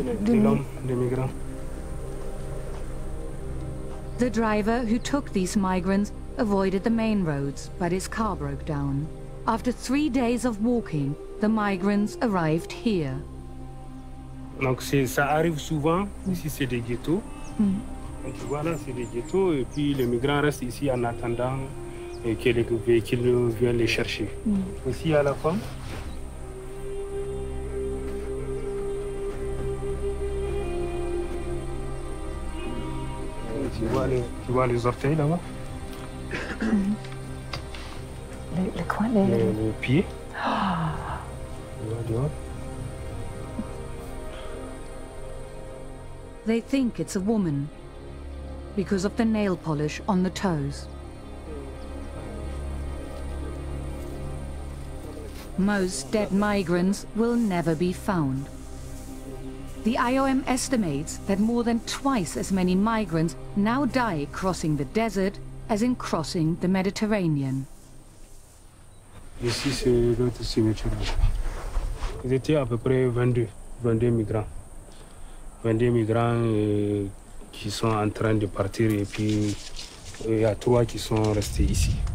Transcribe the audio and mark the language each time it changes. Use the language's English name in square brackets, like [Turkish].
[French] De migrants. [English] The driver who took these migrants avoided the main roads, but his car broke down. After 3 days of walking, the migrants arrived here. [French] Donc ça arrive souvent. Ici c'est des ghettos. Donc voilà, c'est des ghettos et puis les migrants restent ici en attendant que les véhicules viennent les chercher. Aussi à la femme. Tu vois les orteils là-bas? Le coin, les... Le pied. [English] They think it's a woman because of the nail polish on the toes. Most dead migrants will never be found. The IOM estimates that more than twice as many migrants now die crossing the desert as in crossing the Mediterranean. This is the signature. [French] Ils étaient à peu près 22 migrants qui sont en train de partir et puis il y a trois qui sont restés ici.